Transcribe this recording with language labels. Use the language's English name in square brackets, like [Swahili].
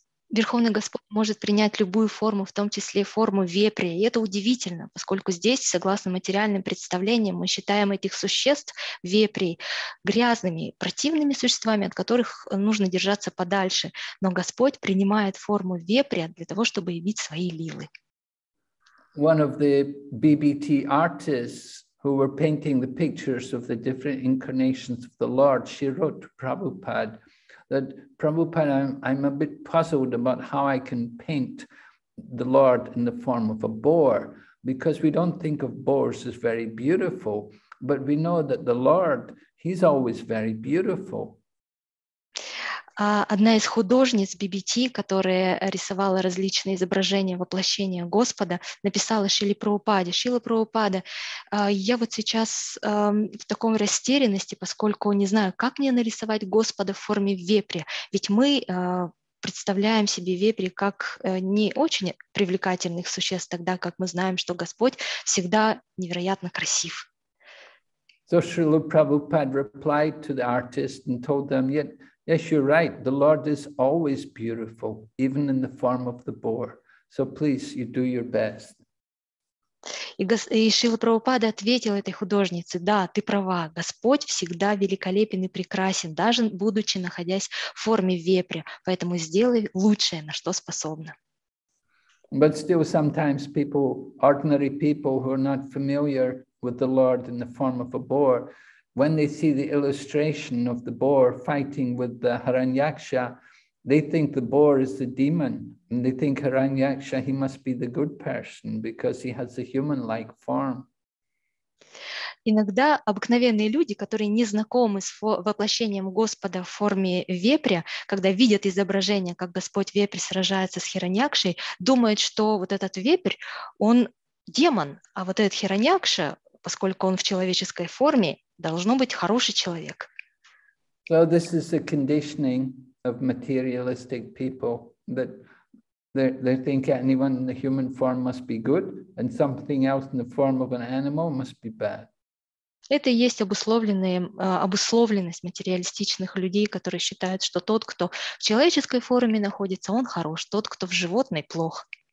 [Russian] Верховный Господь может принять любую форму, в том числе форму вепря. И это удивительно, поскольку здесь, согласно материальным представлениям, мы считаем этих существ, вепрей, грязными, противными существами, от которых нужно держаться подальше. Но Господь принимает форму вепря для того, чтобы явить свои лилы. [English] One of the BBT artists who were painting the pictures of the different incarnations of the Lord, she wrote to Prabhupada, that Prabhupada, I'm a bit puzzled about how I can paint the Lord in the form of a boar, because we don't think of boars as very beautiful, but we know that the Lord, he's always very beautiful. [Russian] Одна из художниц BBT, которая рисовала различные изображения воплощения Господа, написала Шриле Прабхупаде. Шрила Прабхупада, я вот сейчас в таком растерянности, поскольку не знаю, как мне нарисовать Господа в форме вепря. Ведь мы представляем себе вепри как не очень привлекательных существ, тогда как мы знаем, что Господь всегда невероятно красив. [English] So Шрила Прабхупада replied to the artist and told them, yes, you're right. The Lord is always beautiful, even in the form of the boar. So please, you do your best. [Russian] И Шрила Прабхупада ответил этой художнице: да, ты права, Господь всегда великолепен и прекрасен, даже будучи находясь в форме вепря. Поэтому сделай лучшее, на что способна. [English] But still sometimes people, ordinary people who are not familiar with the Lord in the form of a boar, when they see the illustration of the boar fighting with the Hiranyaksha, they think the boar is the demon, and they think Hiranyaksha, he must be the good person because he has a human-like form. [Russian] Иногда обыкновенные люди, которые не знакомы с воплощением Господа в форме вепря, когда видят изображение, как Господь вепрь сражается с Хираньякшей, думают, что вот этот вепрь, он демон, а вот этот Хираньякша, поскольку он в человеческой форме, должно быть хороший человек. [English] So this is the conditioning of materialistic people that they think anyone in the human form must be good and something else in the form of an animal must be bad. [Russian] Это и есть обусловленность материалистичных людей, которые считают, что тот, кто в человеческой форме находится, он хорош, тот, кто в животной, плох.